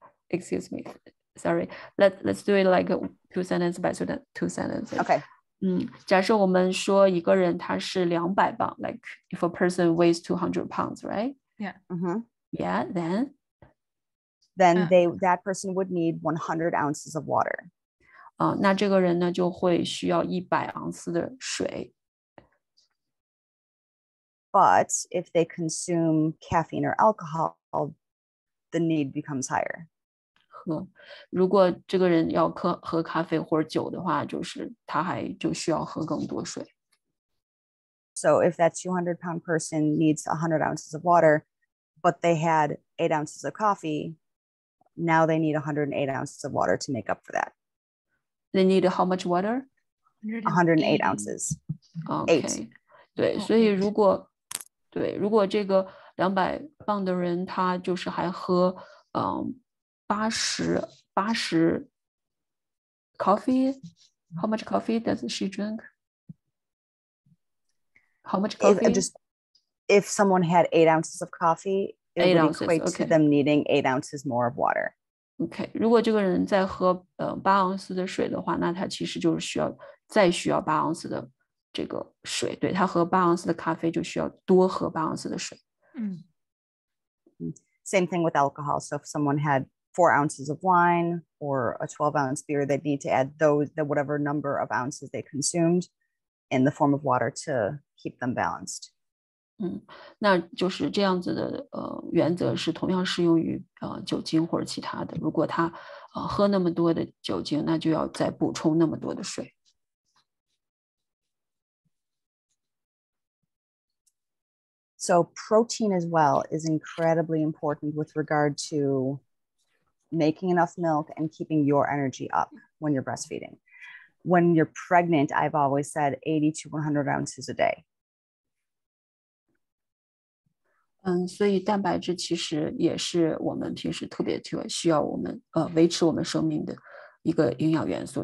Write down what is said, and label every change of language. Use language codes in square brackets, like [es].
[en] Excuse me. Sorry. Let's do it like two sentences by two sentences. Okay. [zh] 假设我们说一个人他是200磅 [en] like if a person weighs 200 pounds, right? Yeah. Mm-hmm. Yeah, then? Then that person would need 100 ounces of water. [zh] 那这个人呢就会需要100盎司的水。 [en] But if they consume caffeine or alcohol, the need becomes higher. [zh] 如果这个人要喝咖啡或者酒的话，就是他还就需要喝更多水。 [en] So if that 200-pound person needs 100 ounces of water, but they had 8 ounces of coffee, now they need 108 ounces of water to make up for that. They need how much water? 108 ounces. Okay. [zh] 对，所以如果对，如果这个200磅的人，他就是还喝，八十 coffee. [en] How much coffee does she drink? How much coffee? If someone had 8 ounces of coffee, it would equate to them needing 8 ounces more of water. Okay. [zh] 如果这个人在喝八盎司的水的话，那他其实就是需要八盎司的。这个水对他喝八盎司的咖啡就需要多喝八盎司的水。 [en] Same thing with alcohol. So if someone had 4 ounces of wine or a 12 ounce beer, they'd need to add those, the whatever number of ounces they consumed in the form of water to keep them balanced. [zh] 那就是这样子的原则是同样适用于酒精或者其他的。如果他喝那么多的酒精，那就要再补充那么多的水。 [en] So protein as well is incredibly important with regard to making enough milk and keeping your energy up when you're breastfeeding. When you're pregnant, I've always said 80 to 100 ounces a day. [zh] 所以蛋白质其实也是我们平时特别需要我们维持我们生命的一个营养元素。